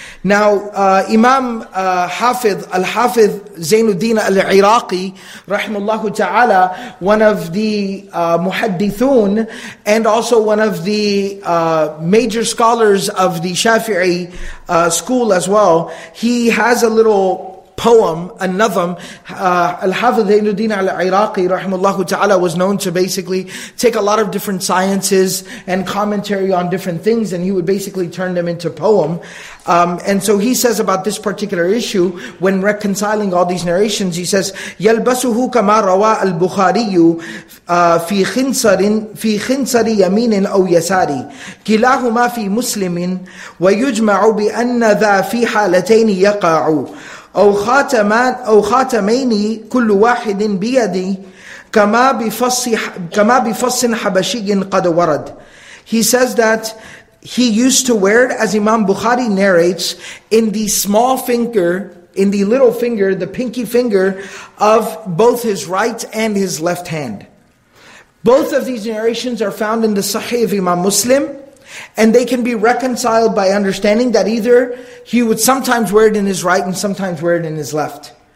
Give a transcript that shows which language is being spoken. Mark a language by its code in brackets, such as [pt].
[en] Now, Imam Al-Hafidh Zainuddin Al-Iraqi, rahimahullahu ta'ala, one of the muhaddithun, and also one of the major scholars of the Shafi'i school as well, he has a little poem, a nazm, Al-Hafidhainuddin al-Iraqi, rahimahullah ta'ala, was known to basically take a lot of different sciences and commentary on different things, and he would basically turn them into poem. And so he says about this particular issue, when reconciling all these narrations, he says, [ar] يَلْبَسُهُ كَمَا رَوَى الْبُخَارِيُّ فِي خِنْصَرِ يَمِينٍ أَوْ يَسَارِ كِلَاهُمَا فِي مُسْلِمٍ وَيُجْمَعُ بِأَنَّ ذَا فِي حَالَتَيْنِ يَقَعُ أو خاتمين كل واحد بيدي كما بفص حبشي قد ورد. [en] He says that he used to wear it, as Imam Bukhari narrates, in the small finger, in the little finger, the pinky finger of both his right and his left hand. Both of these narrations are found in the Sahih of Imam Muslim, and they can be reconciled by understanding that either he would sometimes wear it in his right and sometimes wear it in his left.